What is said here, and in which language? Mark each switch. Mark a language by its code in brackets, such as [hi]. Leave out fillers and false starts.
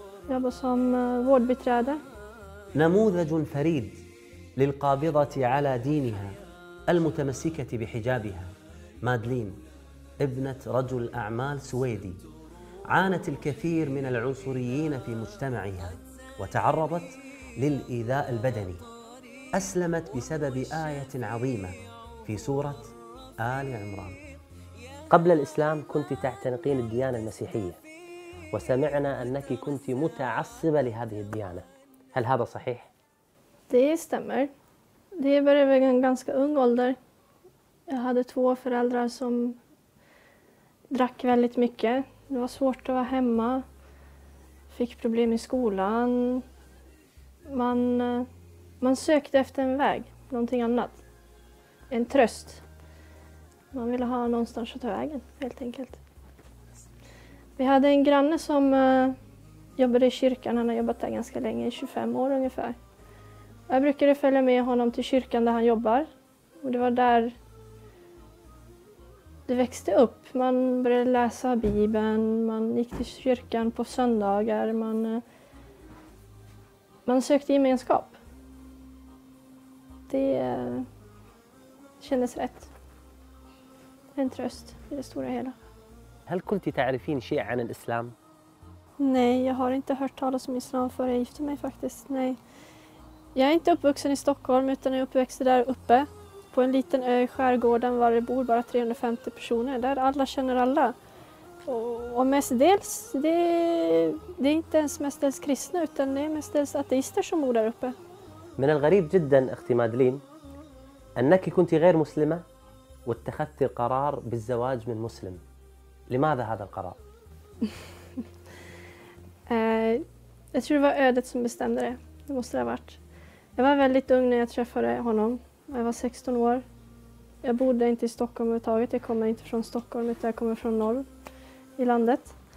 [sv] Jobbar som vårdbiträde. [ar] نموذج فريد للقابضة على دينها المتمسكة بحجابها. مادلين ابنة رجل أعمال سويدي عانت الكثير من العنصريين في مجتمعها وتعرضت للإيذاء البدني أسلمت بسبب آية عظيمة في سورة آل عمران قبل الإسلام كنت تعتنقين الديانة المسيحية وسمعنا أنك كنت متعصبة لهذه الديانة هل هذا صحيح؟ [sv] Det stämmer. Det började vid en ganska ung ålder. Jag hade två föräldrar som drack väldigt mycket. Det var svårt att vara hemma. Fick problem i skolan. Man sökte efter en väg. Någonting annat. En tröst. Man ville ha någonstans att ta vägen, helt enkelt. Vi hade en granne som jobbade i kyrkan. Han har jobbat där ganska länge, i 25 år ungefär. Jag brukade följa med honom till kyrkan där han jobbar. Och det var där det växte upp. Man började läsa Bibeln, man gick till kyrkan på söndagar, man sökte gemenskap. Det kändes rätt. En tröst i det stora hela. [ar] هل كنت تعرفين شيء عن الإسلام؟ [sv] Nej, jag har inte hört talas om islam för jag gifte mig faktiskt. Nej. Jag är inte uppvuxen i Stockholm utan jag uppväxte där uppe. På en liten ö i skärgården var det bor bara 350 personer. Där alla känner alla. Och mestdels, det är inte ens mestdels kristna utan det är mestdels ateister som bor där uppe. [ar] من الغريب جدا اختي مادلين انك كنت غير مسلمة واتخذت القرار بالزواج من مسلم. لماذا هذا القرار؟ [sv] Jag tror det var ödet som bestämde det. Det måste det ha varit. Jag var väldigt ung när jag träffade honom. Jag var 16 år. Jag bodde inte i Stockholm överhuvudtaget. Jag kommer inte från Stockholm utan jag kommer från norr i landet.